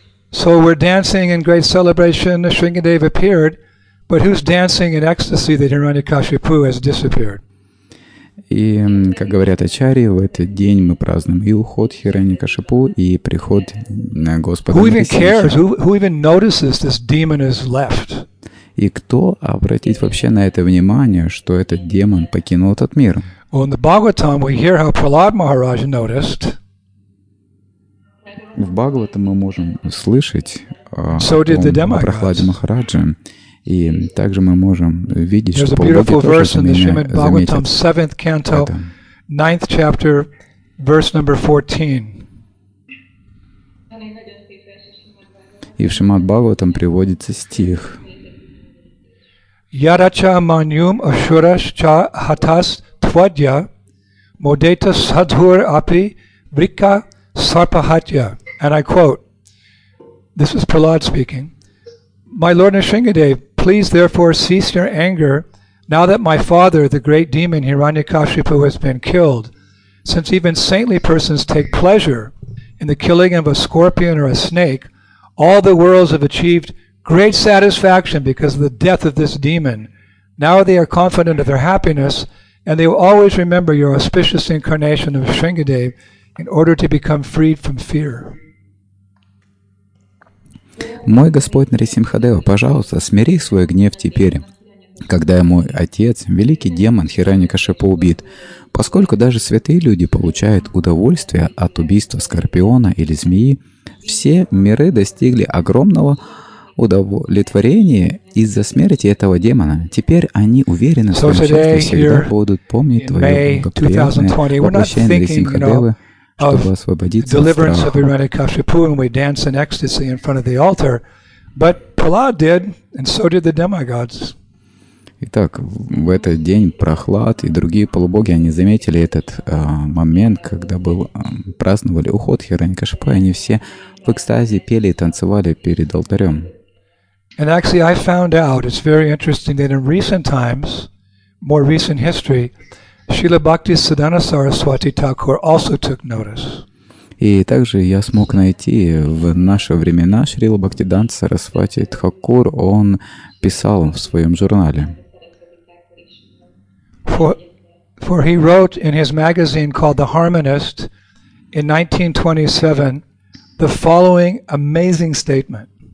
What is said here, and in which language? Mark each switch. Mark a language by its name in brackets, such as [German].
[English] So we're dancing in great celebration. Nrisimhadev appeared, but who's dancing in ecstasy that Hiranyakashipu has disappeared? [Russian] И, как говорят ачарьи, в этот день мы празднуем и уход Хираньякашипу, и приход Господа. [English] Who even cares? Who even notices this demon is left? [Russian] И кто обратит вообще на это внимание, что этот демон покинул этот мир? [English] Well, in the Bhagavatam we hear how Prahlad Maharaj noticed. [Russian] В Бхагаватам мы можем слышать о Прахладе Махараджи. И также мы можем видеть, [English] There's [Russian] что по логике тоже это меня заметят. [English] Это. Seventh canto, ninth chapter, verse number 14. [Russian] И в Шримад-Бхагаватам приводится стих. [Sanskrit] Ярача маньюм ашураш ча хатас твадья модета садхур апи врика сарпахатья. [English] And I quote, this is Prahlad speaking, My Lord Nrisimhadev, Please, therefore, cease your anger now that my father, the great demon Hiranyakashipu, has been killed. Since even saintly persons take pleasure in the killing of a scorpion or a snake, all the worlds have achieved great satisfaction because of the death of this demon. Now they are confident of their happiness, and they will always remember your auspicious incarnation of Nrisimhadev in order to become freed from fear. [Russian] «Мой Господь Нарисимхадева, пожалуйста, смири свой гнев теперь, когда мой отец, великий демон Хираньякашипу убит, поскольку даже святые люди получают удовольствие от убийства скорпиона или змеи, все миры достигли огромного удовлетворения из-за смерти этого демона. Теперь они уверены, что в счастье всегда будут помнить твое благоприятное воплощение Нарисимхадевы». [English] Of deliverance of Hiranyakashipu, and we dance in ecstasy in front of the altar. But Prahlad did, and so did the demigods. [Russian] Итак, в этот день Прохлад и другие полубоги они заметили этот момент, когда был праздновали уход Хиранькашипу, и они все в экстазе пели и танцевали перед алтарем. [English] And actually, I found out it's very interesting that in recent times, more recent history. Srila Bhakti Siddhanta Saraswati Thakur also took notice. [Russian] И также я смог найти в наши времена Шрила Бхактиданта Сарасвати Тхакур, он писал в своем журнале. [English] For he wrote in his magazine called The Harmonist in 1927 the following amazing statement.